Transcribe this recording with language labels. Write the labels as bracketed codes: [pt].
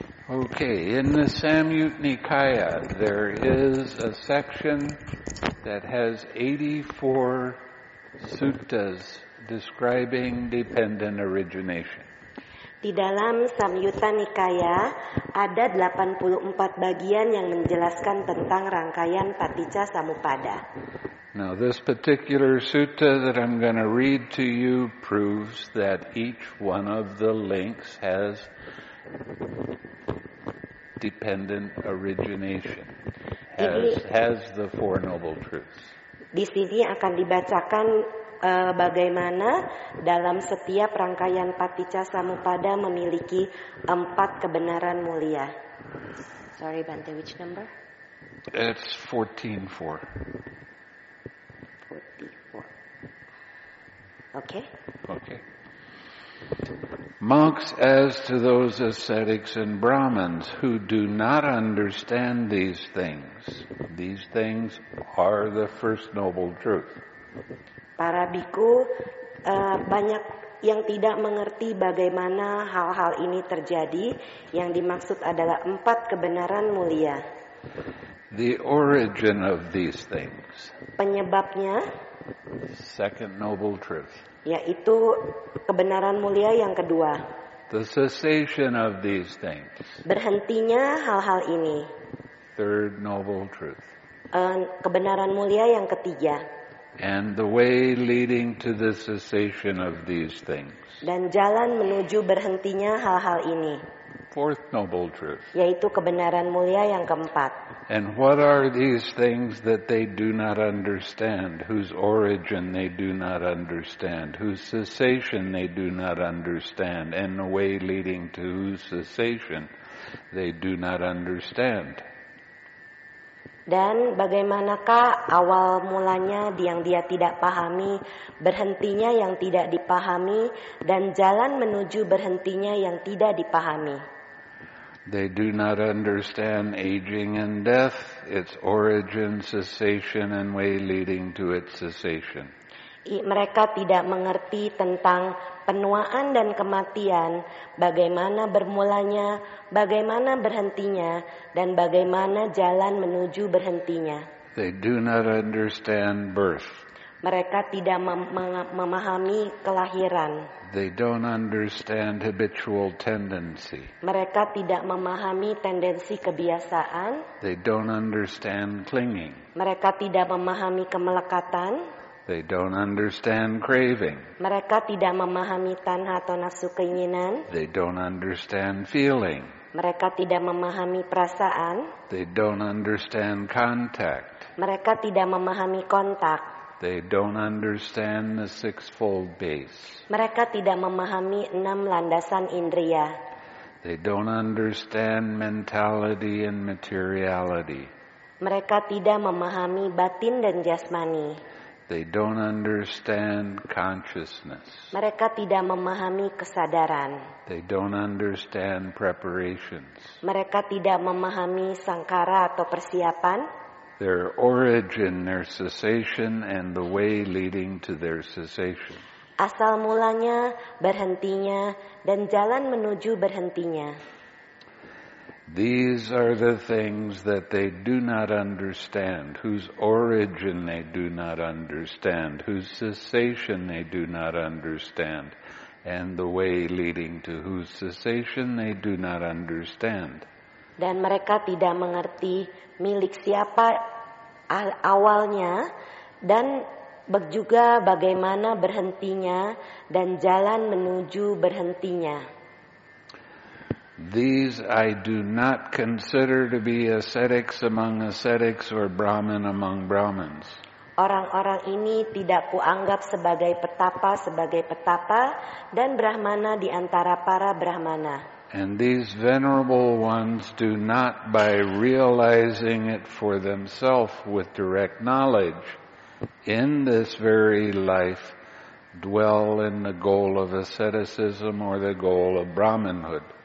[en] Okay, in the Samyutta Nikaya, there is a section that has 84 suttas describing dependent origination. [id] Di dalam Samyutta Nikaya, ada 84 bagian yang menjelaskan tentang rangkaian Paticca Samuppada. [en] Now, this particular sutta that I'm going to read to you proves that each one of the links has dependent origination has the four noble truths. [id] Di sini akan dibacakan bagaimana dalam setiap rangkaian Paticca Samuppada memiliki empat kebenaran mulia. [en] Sorry, Bante, which number? It's 14.4. Okay. Monks, as to those ascetics and Brahmins who do not understand these things are the first noble truth. [id] Para biku, banyak yang tidak mengerti bagaimana hal-hal ini terjadi, yang dimaksud adalah empat kebenaran mulia. [en] The origin of these things. [id] Penyebabnya. [en] Second noble truth. [id] Yaitu kebenaran mulia yang kedua. [en] The cessation of these things. [id] Berhentinya hal-hal ini. [en] Third noble truth. [id] Kebenaran mulia yang ketiga. [en] And the way leading to the cessation of these things. [id] Dan jalan menuju berhentinya hal-hal ini. [en] Fourth noble truth. [id] Yaitu kebenaran mulia yang keempat. [en] And what are these things that they do not understand, whose origin they do not understand, whose cessation they do not understand, and the way leading to whose cessation they do not understand? [id] Dan bagaimanakah awal mulanya yang dia tidak pahami, berhentinya yang tidak dipahami, dan jalan menuju berhentinya yang tidak dipahami? [en] They do not understand aging and death, its origin, cessation, and way leading to its cessation. [id] Mereka tidak mengerti tentang penuaan dan kematian, bagaimana bermulanya, bagaimana berhentinya, dan bagaimana jalan menuju berhentinya. [en] They do not understand birth. [id] Mereka tidak memahami kelahiran. [en] They don't understand habitual tendency. [id] Mereka tidak memahami tendensi kebiasaan. [en] They don't understand clinging. [id] Mereka tidak memahami kemelekatan. [en] They don't understand craving. [id] Mereka tidak memahami tanha atau nafsu keinginan. [en] They don't understand feeling. [id] Mereka tidak memahami perasaan. [en] They don't understand contact. [id] Mereka tidak memahami kontak. [en] They don't understand the sixfold base. [id] Mereka tidak memahami enam landasan indria. [en] They don't understand mentality and materiality. [id] Mereka tidak memahami batin dan jasmani. [en] They don't understand consciousness. [id] Mereka tidak memahami kesadaran. [en] They don't understand preparations. [id] Mereka tidak memahami sangkara atau persiapan. [en] Their origin, their cessation, and the way leading to their cessation. [id] Asal mulanya, berhentinya, dan jalan menuju berhentinya. [en] These are the things that they do not understand, whose origin they do not understand, whose cessation they do not understand, and the way leading to whose cessation they do not understand. [id] Dan mereka tidak mengerti milik siapa awalnya dan juga bagaimana berhentinya dan jalan menuju berhentinya. [en] These I do not consider to be ascetics among ascetics or Brahman among Brahmins. [id] Orang-orang ini tidak kuanggap sebagai petapa dan Brahmana di antara para Brahmana. [en] And these venerable ones do not, by realizing it for themselves with direct knowledge, in this very life, dwell in the goal of asceticism or the goal of Brahmanhood.